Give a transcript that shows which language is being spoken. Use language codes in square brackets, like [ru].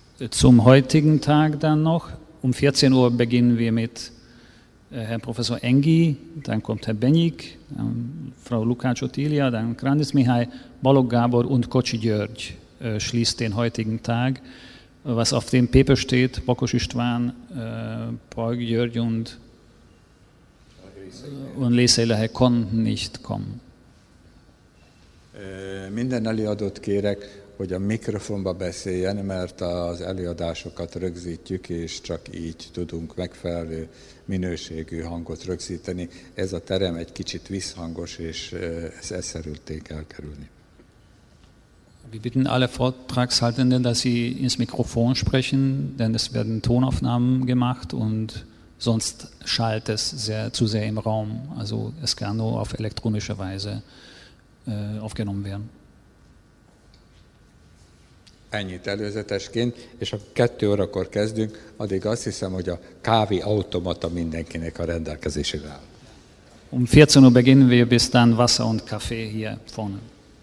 [de] Zum heutigen Tag dann noch. Um 14 Uhr beginnen wir mit Herrn Professor Engi, dann kommt Herr Benyik, Frau Lukács Otilia, dann Kránic Mihály, Balogh Gábor und Kocsi György schließt den heutigen Tag. Was auf dem Paper steht, Bokos István, Paul György und Lisa Lehe konnten nicht kommen. [hu] Minden előadót kérek, hogy a mikrofonba beszéljen, mert az előadásokat rögzítjük, és csak így tudunk megfelelő minőségű hangot rögzíteni. Ez a terem egy kicsit visszhangos, és ezt szerülték elkerülni. [de] Wir bitten alle Vortragshaltenden, dass sie ins Mikrofon sprechen, denn es werden Tonaufnahmen gemacht und sonst schallt es zu sehr im Raum. Also es kann nur auf elektronische Weise aufgenommen werden. [hu] Ennyit előzetesként, és a 2 órakor kezdünk, addig azt hiszem, hogy a kávé automata mindenkinek a rendelkezésére áll. Um 14 Uhr beginnen wir, bis dann Wasser und Kaffee hier vorne.